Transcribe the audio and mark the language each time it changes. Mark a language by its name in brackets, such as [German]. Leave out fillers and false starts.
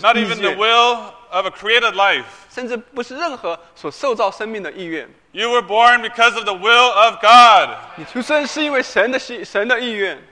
[English] 愿 ，not even the will of a created life， [Chinese] 甚至不是任何所受造生命的意愿。 [English] You were born because of the will of God， [Chinese] 你出生是因为神的意愿。